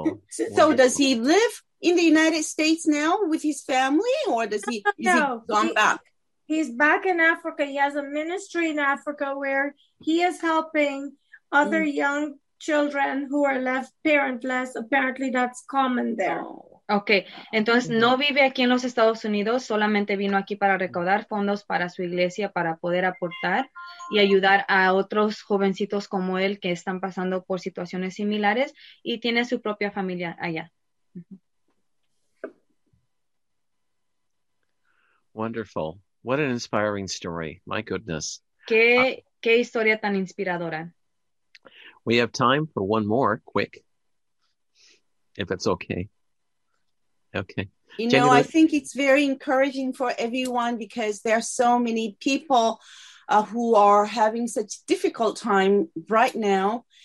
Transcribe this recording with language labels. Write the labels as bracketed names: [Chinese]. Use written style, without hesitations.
[English] So does he live in the United States now with his family or is he gone back? He's back in Africa. He has a ministry in Africa where he is helping other young children who are left parentless. Apparently, that's common there. [Spanish] Okay, entonces no vive aquí en los Estados Unidos, solamente vino aquí para recaudar fondos para su iglesia, para poder aportar y ayudar a otros jovencitos como él que están pasando por situaciones similares y tiene su propia familia allá. [English] Wonderful. What an inspiring story. My goodness. [Spanish] ¿Qué historia tan inspiradora? [English] We have time for one more, quick, if it's okay. Okay. You know, I think it's very encouraging for everyone because there are so many people who are having such difficult time right now.